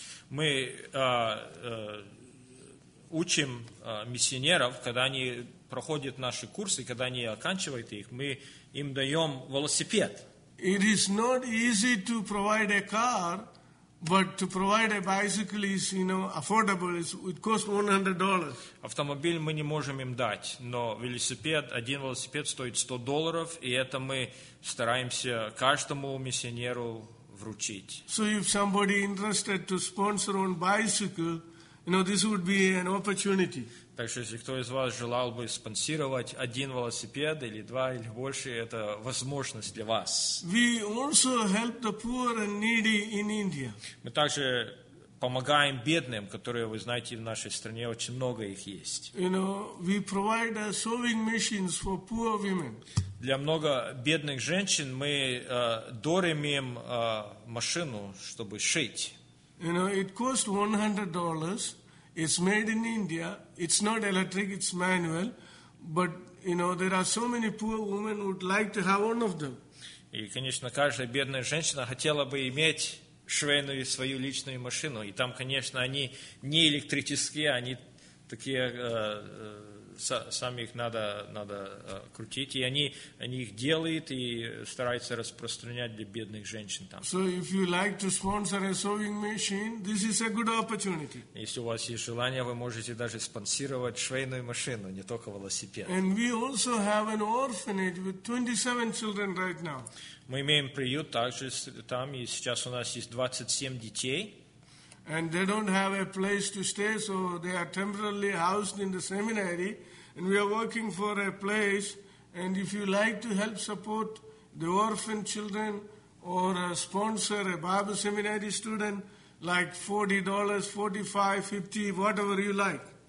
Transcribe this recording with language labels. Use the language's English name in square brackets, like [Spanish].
[Russian] Мы учим миссионеров, когда они проходят наши курсы, когда они оканчивают их, мы им даем велосипед. [English] It is not easy to provide a car, but to provide a bicycle is, you know, affordable. It costs $100. [Russian] Автомобиль мы не можем им дать, но велосипед, один велосипед стоит $100, и это мы стараемся каждому миссионеру вручить. [English] So if somebody interested to sponsor on bicycle, you know, this would be an opportunity. [Russian] Так что, если кто из вас желал бы спонсировать один велосипед или два или больше, это возможность для вас. [English] We also help the poor and needy in India. [Russian] Мы также помогаем бедным, которые, вы знаете, в нашей стране очень много их есть. [English] You know, we provide a sewing machines for poor women. [Russian] Для много бедных женщин мы доримем машину, чтобы шить. [English] You know, it costs $100. It's made in India. It's not electric, it's manual. But, you know, there are so many poor women who would like to have one of them. [Russian] И, конечно, каждая бедная женщина хотела бы иметь швейную свою личную машину. И там, конечно, они не электрические, они такие, сами их надо крутить. И они их делают и стараются распространять для бедных женщин там. [English] So if you like to sponsor a sewing machine, this is a good opportunity. [Russian] Если у вас есть желание, вы можете даже спонсировать швейную машину, не только велосипед. [English] And we also have an orphanage with 27 children right now. [Russian] Мы имеем приют также там, и сейчас у нас есть 27 детей. [English] And they don't have a place to stay, so they are temporarily housed in the seminary. And we are working for a place. And if you like to help support the orphan children or sponsor a Bible seminary student, like $40, $45, $50, whatever you like.